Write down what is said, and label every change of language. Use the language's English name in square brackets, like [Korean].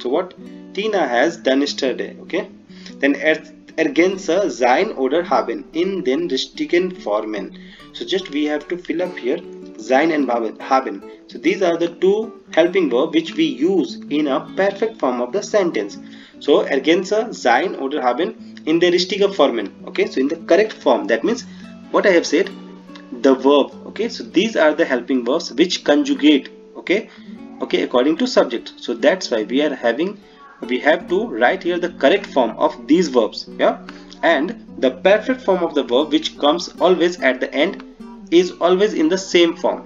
[English] So what Tina has done yesterday. Okay, then [German] ergänze sein oder haben in den richtigen Formen. [English] So just we have to fill up here sein and haben. So these are the two helping verbs which we use in a perfect form of the sentence. [German] So ergänze sein oder haben in der richtigen Formen. [English] Okay, so in the correct form, that means what I have said, the verb. Okay, so these are the helping verbs which conjugate, okay, okay, according to subject. So that's why we are having, we have to write here the correct form of these verbs. Yeah, and the perfect form of the verb which comes always at the end is always in the same form.